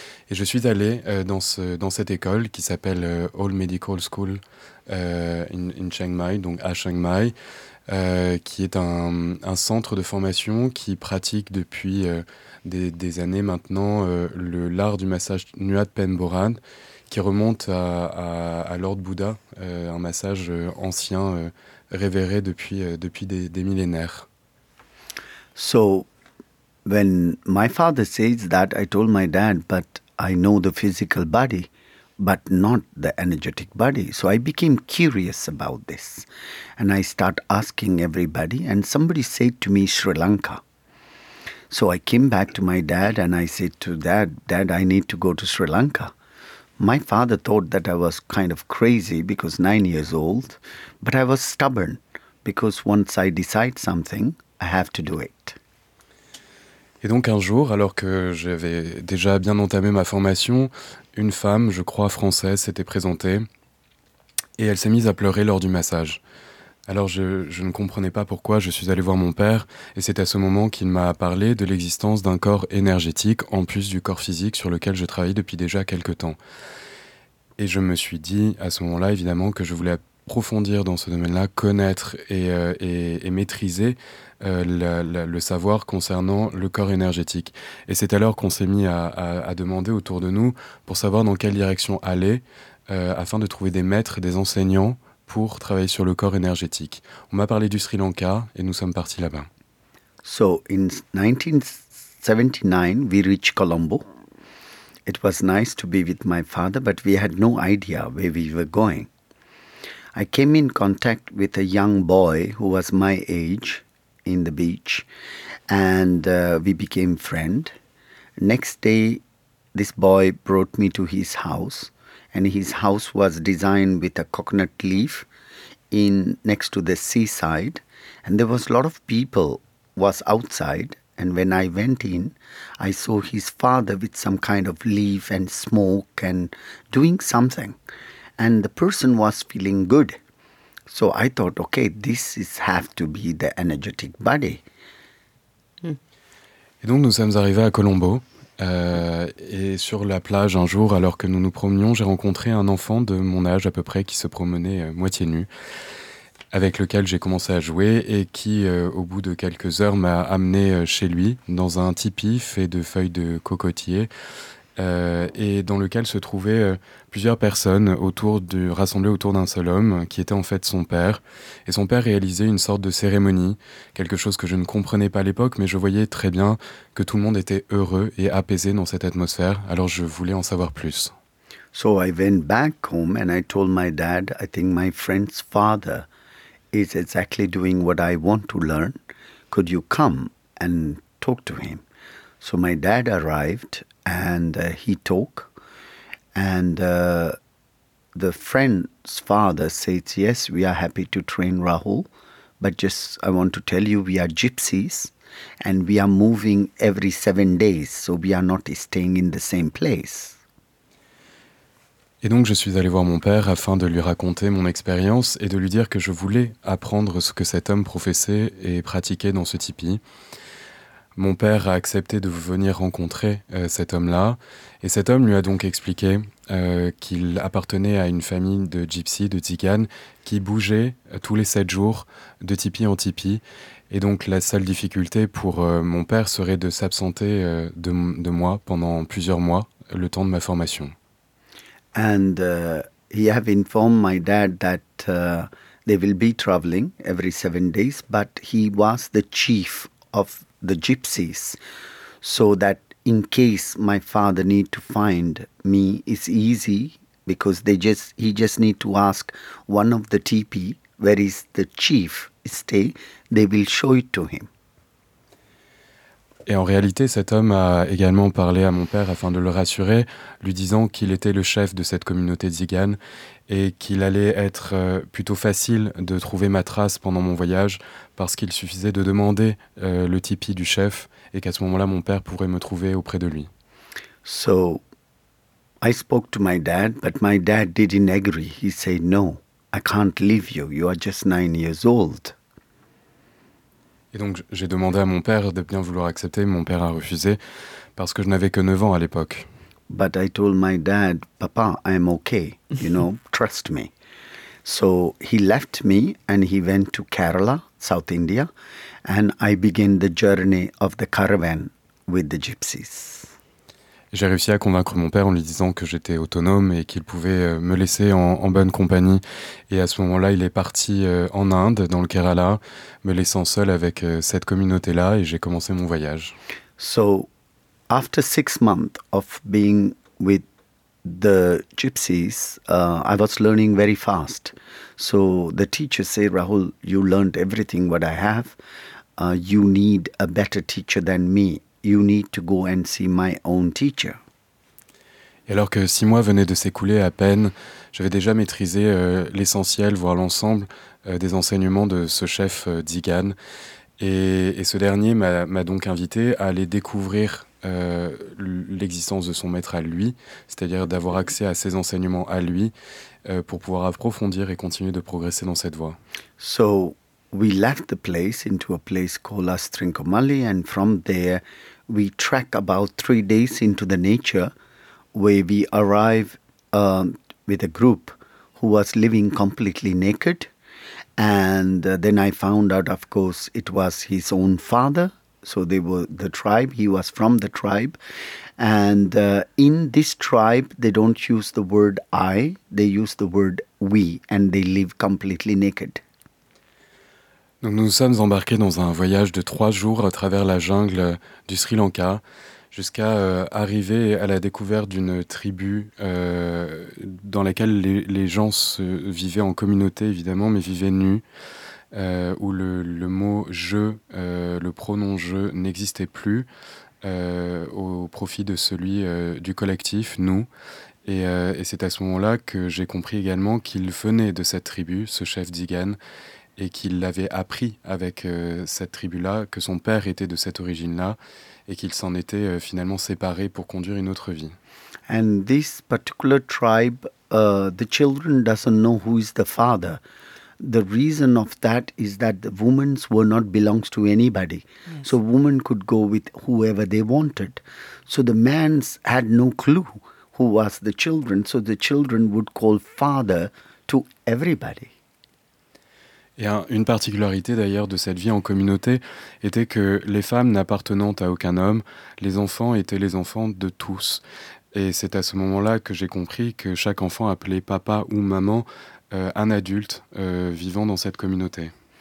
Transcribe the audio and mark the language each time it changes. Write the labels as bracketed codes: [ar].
[fr] Et je suis allé dans cette école qui s'appelle Old Medical School in Chiang Mai, donc à Chiang Mai, qui est un centre de formation qui pratique depuis des années maintenant l'art du massage Nuat Pen Boran, qui remonte à Lord Buddha, un massage ancien, révéré depuis des millénaires. [en] So, when my father says that, I told my dad, but I know the physical body, but not the energetic body. So I became curious about this. And I start asking everybody, and somebody said to me, Sri Lanka. So I came back to my dad, and I said to dad, Dad, I need to go to Sri Lanka. My father thought that I was kind of crazy because 9 years old, but I was stubborn because once I decide something, I have to do it. [fr] Et donc un jour, alors que j'avais déjà bien entamé ma formation, une femme, je crois française, s'était présentée et elle s'est mise à pleurer lors du massage. Alors je ne comprenais pas pourquoi, je suis allé voir mon père, et c'est à ce moment qu'il m'a parlé de l'existence d'un corps énergétique en plus du corps physique sur lequel je travaille depuis déjà quelques temps. Et je me suis dit à ce moment-là, évidemment, que je voulais approfondir dans ce domaine-là, connaître et maîtriser le savoir concernant le corps énergétique. Et c'est alors qu'on s'est mis à demander autour de nous pour savoir dans quelle direction aller, afin de trouver des maîtres, des enseignants pour travailler sur le corps énergétique. On m'a parlé du Sri Lanka et nous sommes partis là-bas. [en] So, in 1979, we reached Colombo. It was nice to be with my father, but we had no idea where we were going. I came in contact with a young boy who was my age in the beach, and we became friends. Next day, this boy brought me to his house, and his house was designed with a coconut leaf in next to the seaside, and there was a lot of people was outside. And when I went in, I saw his father with some kind of leaf and smoke and doing something. And the person was feeling good. So I thought, okay, this is have to be the energetic body. [fr] Et donc nous sommes arrivés à Colombo. Et sur la plage, un jour, alors que nous nous promenions, j'ai rencontré un enfant de mon âge à peu près qui se promenait moitié nu, avec lequel j'ai commencé à jouer et qui, au bout de quelques heures, m'a amené chez lui dans un tipi fait de feuilles de cocotier et dans lequel se trouvaient plusieurs personnes rassemblées autour d'un seul homme qui était en fait son père. Et son père réalisait une sorte de cérémonie, quelque chose que je ne comprenais pas à l'époque, mais je voyais très bien que tout le monde était heureux et apaisé dans cette atmosphère, alors je voulais en savoir plus. [en] So I went back home and I told my dad, I think my friend's father is exactly doing what I want to learn. Could you come and talk to him? So my dad arrived and he talked. And the friend's father says, yes, we are happy to train Rahul. But just I want to tell you, we are gypsies and we are moving every 7 days. So we are not staying in the same place. [fr] Et donc je suis allé voir mon père afin de lui raconter mon expérience et de lui dire que je voulais apprendre ce que cet homme professait et pratiquait dans ce tipi. Mon père a accepté de venir rencontrer cet homme-là et cet homme lui a donc expliqué qu'il appartenait à une famille de gypsies, de tziganes, qui bougeait tous les 7 jours de tipi en tipi. Et donc la seule difficulté pour mon père serait de s'absenter de moi pendant plusieurs mois, le temps de ma formation. [en] And he have informed my dad that they will be traveling every 7 days, but he was the chief of the gypsies, so that in case my father need to find me, it's easy, because he just need to ask one of the teepee where is the chief stay, they will show it to him. [fr] Et en réalité, cet homme a également parlé à mon père afin de le rassurer, lui disant qu'il était le chef de cette communauté tzigane et qu'il allait être plutôt facile de trouver ma trace pendant mon voyage parce qu'il suffisait de demander le tipi du chef et qu'à ce moment-là, mon père pourrait me trouver auprès de lui. [en] So, I spoke to my dad, but my dad didn't agree. He said, no, I can't leave you. You are just 9 years old. [fr] Et donc j'ai demandé à mon père de bien vouloir accepter, mon père a refusé parce que je n'avais que 9 ans à l'époque. [en] But I told my dad, papa, I'm okay, you know, trust me. So he left me and he went to Kerala, South India, and I began the journey of the caravan with the gypsies. [fr] J'ai réussi à convaincre mon père en lui disant que j'étais autonome et qu'il pouvait me laisser en bonne compagnie. Et à ce moment-là, il est parti en Inde, dans le Kerala, me laissant seul avec cette communauté-là et j'ai commencé mon voyage. [en] So, after 6 months of being with the gypsies, I was learning very fast. So, the teacher said, Rahul, you learned everything what I have. You need a better teacher than me. You need to go and see my own teacher. [fr] Et alors que 6 mois venaient de s'écouler à peine, j'avais déjà maîtrisé l'essentiel, voire l'ensemble, des enseignements de ce chef tzigane. Et ce dernier m'a donc invité à aller découvrir l'existence de son maître à lui, c'est-à-dire d'avoir accès à ses enseignements à lui, pour pouvoir approfondir et continuer de progresser dans cette voie. [en] So we left the place into a place called Astrincomalee, and from there we trek about 3 days into the nature, where we arrive with a group who was living completely naked. And then I found out, of course, it was his own father. So they were the tribe. He was from the tribe. And in this tribe, they don't use the word I. They use the word we. And they live completely naked. [fr] Donc nous sommes embarqués dans un voyage de 3 jours à travers la jungle du Sri Lanka jusqu'à arriver à la découverte d'une tribu dans laquelle les gens se vivaient en communauté, évidemment, mais vivaient nus, où le mot « je », le pronom « je » n'existait plus au profit de celui du collectif « nous ». Et c'est à ce moment-là que j'ai compris également qu'il venait de cette tribu, ce chef Dzigan, et qu'il l'avait appris avec cette tribu-là, que son père était de cette origine-là, et qu'il s'en était finalement séparé pour conduire une autre vie. [en] And this particular tribe, the children doesn't know who is the father. The reason of that is that the women were not belongs to anybody. Yes. So women could go with whoever they wanted. So the men had no clue who was the children. So the children would call father to everybody. [fr] Et une particularité d'ailleurs de cette vie en communauté était que les femmes n'appartenant à aucun homme, les enfants étaient les enfants de tous. Et c'est à ce moment-là que j'ai compris que chaque enfant appelait papa ou maman un adulte vivant dans cette communauté.